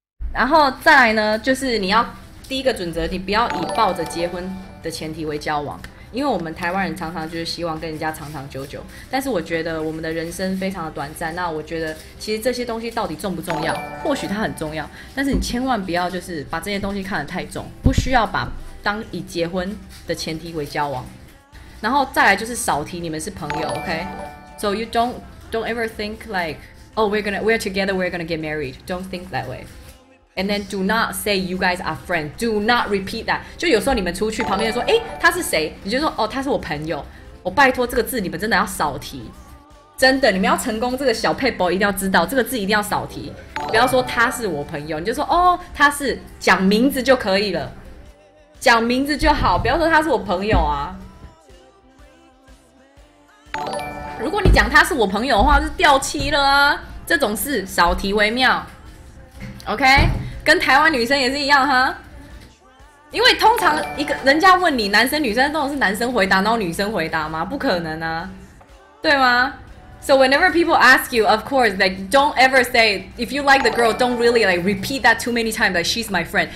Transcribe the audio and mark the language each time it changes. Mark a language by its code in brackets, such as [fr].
[zh] 然后再来呢，就是你要第一个准则，你不要以抱着结婚的前提为交往，因为我们台湾人常常就是希望跟人家长长久久，但是我觉得我们的人生非常的短暂。那我觉得其实这些东西到底重不重要？或许它很重要，但是你千万不要就是把这些东西看得太重，不需要把。当以结婚的前提为交往，然后再来就是少提你们是朋友 ，OK？ [en] So you don't ever think like, oh, we're together, we're gonna get married. Don't think that way. And then do not say you guys are friends. Do not repeat that. [zh] 就有时候你们出去，旁边人说，哎，他是谁？你就说，哦，他是我朋友。我拜托这个字，你们真的要少提。真的，你们要成功，这个小撇步一定要知道，这个字一定要少提。不要说他是我朋友，你就说，哦，他是讲名字就可以了。讲名字就好，不要说他是我朋友啊。如果你讲他是我朋友的话，是掉漆了啊。这种事少提为妙 ，OK？跟台湾女生也是一样哈。因为通常一个人家问你男生女生，这种是男生回答，然后女生回答吗？不可能啊，对吗 [en] ？So whenever people ask you, of course, like don't ever say if you like the girl, don't really like repeat that too many times. Like she's my friend.